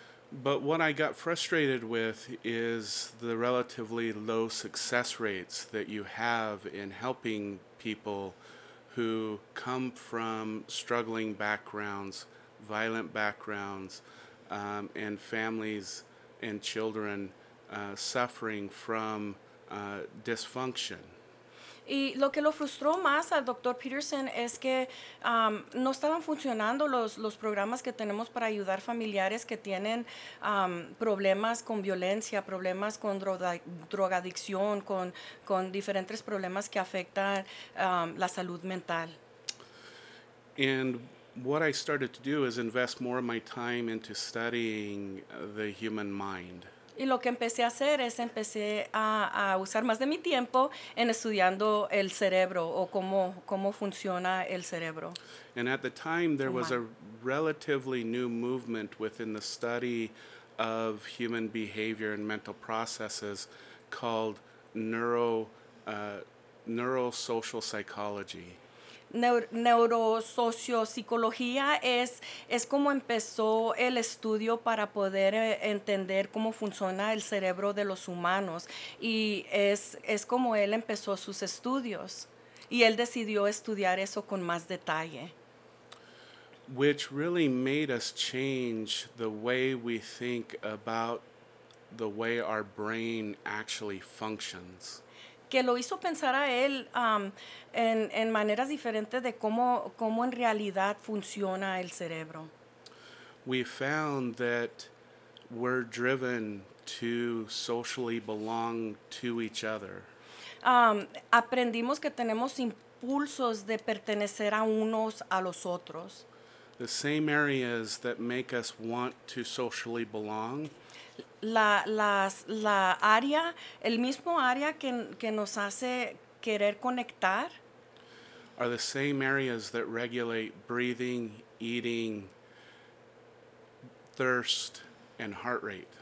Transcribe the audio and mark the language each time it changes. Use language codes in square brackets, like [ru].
[en] But what I got frustrated with is the relatively low success rates that you have in helping people who come from struggling backgrounds, violent backgrounds, and families and children suffering from dysfunction. [es] Y lo que lo frustró más al Dr. Peterson es que no estaban funcionando los programas que tenemos para ayudar familiares que tienen problemas con violencia, problemas con drogadicción, con diferentes problemas que afectan la salud mental. [en] And what I started to do is invest more of my time into studying the human mind. [es] Y lo que empecé a hacer es empecé a usar más de mi tiempo en estudiando el cerebro o cómo funciona el cerebro. [en] And at the time, there was a relatively new movement within the study of human behavior and mental processes called neuro-social psychology. [es] Neurosociopsicología es como empezó el estudio para poder entender cómo funciona el cerebro de los humanos y es como él empezó sus estudios y él decidió estudiar eso con más detalle. [en] Which really made us change the way we think about the way our brain actually functions. [es] Que lo hizo pensar a él en maneras diferentes de cómo en realidad funciona el cerebro. [en] We found that we're driven to socially belong to each other. [es] Aprendimos que tenemos impulsos de pertenecer a unos a los otros. [en] The same areas that make us want to socially belong. [es] La área, el mismo área que nos hace querer conectar. [en] Are the same areas that regulate breathing, eating, thirst, and heart rate.